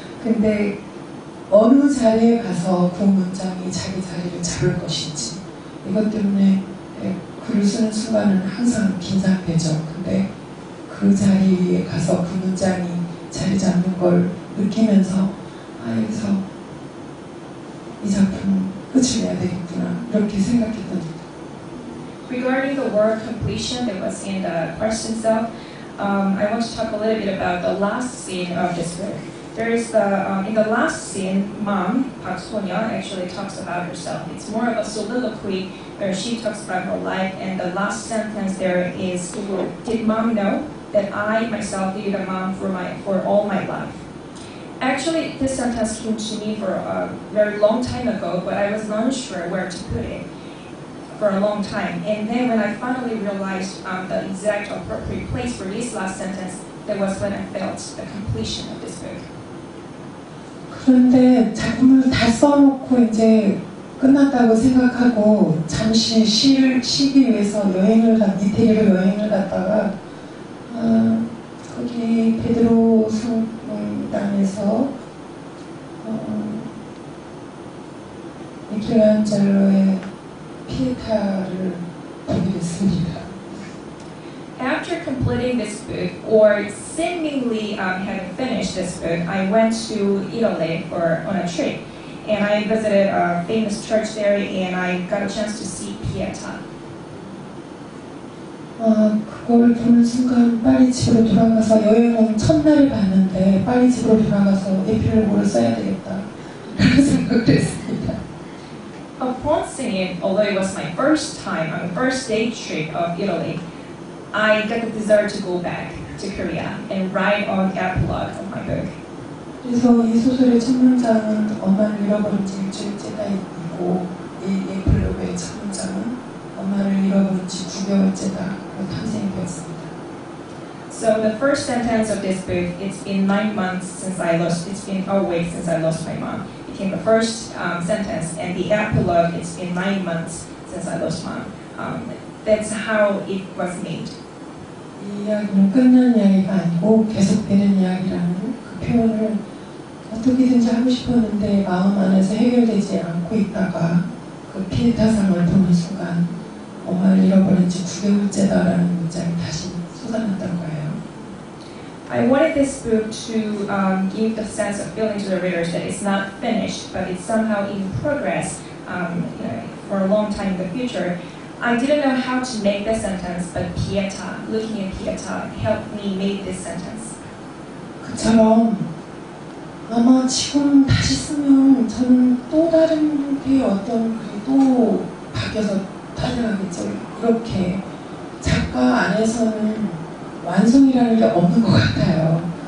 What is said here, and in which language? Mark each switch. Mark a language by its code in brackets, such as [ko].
[ko] 근데 어느 자리에 가서 그 문장이 자기 자리를 잡을 것인지 이것 때문에 글을 쓰는 순간은 항상 긴장되죠. 근데 그 자리에 가서 그 문장이 자리 잡는 걸 느끼면서 아 여기서 이 작품 끝을 내야 되겠구나 이렇게 생각했던 [en] Regarding the word completion that was in the question itself, I want to talk a little bit about the last scene of this book. There is in the last scene, Mom, Park Sonya, actually talks about herself. It's more of a soliloquy where she talks about her life, and the last sentence there is, did Mom know that I myself needed a mom for all my life? Actually, this sentence came to me for a very long time ago, but I was not sure where to put it for a long time. And then when I finally realized the exact appropriate place for this last sentence, that was when I felt the completion of this book. [ko] 그런데 작품을 다 써놓고 이제 끝났다고 생각하고 잠시 쉬기 위해서 이태리로 여행을 갔다가 거기 베드로 성당에서 미켈란젤로의 피에타를 보게 됐습니다. [en] After completing this book, or seemingly having finished this book, I went to Italy on a trip, and I visited a famous church there, and I got a chance to see Pietà. [ko] 그걸 보는 순간 빨리 집으로 돌아가서 여행은 첫날을 봤는데 빨리 집으로 돌아가서 에필로그를 써야 되겠다 그런 생각을 했습니다. [en] upon seeing it, although it was my first time on the first day trip of Italy, I got the desire to go back to Korea and write on the epilogue of my book. [ko] 그래서 이 소설의 첫 문장은 엄마를 잃어버린 지 일주일째가 있고 이 에플로그의 첫 문장은 엄마를 잃어버린 지 9개월째다 그 탄생이 되었습니다. [en] So the first sentence of this book, it's been 9 months since I lost, it's been a week since I lost my mom. It came the first sentence, and the epilogue, it's been 9 months since I lost mom. That's how it was made. [ko] 이 이야기는 끝난 이야기가 아니고 계속되는 이야기라는 표현을 어떻게든지 하고 싶었는데 마음 안에서 해결되지 않고 있다가 그 필터상을 보는 순간 엄마를 잃어버린 지 9개월째다라는 문장이 다시 쏟아났던 거예요. [en] I wanted this book to give the sense of feeling to the readers that it's not finished, but it's somehow in progress for a long time in the future. I didn't know how to make the sentence, but Pieta, looking at Pieta, helped me make this sentence. [ko] 그처럼 아마 지금 다시 쓰면 저는 또 다른 게 어떤 글이 또 바뀌어서 탄생하겠죠. 이렇게 작가 안에서는 완성이라는 게 없는 것 같아요.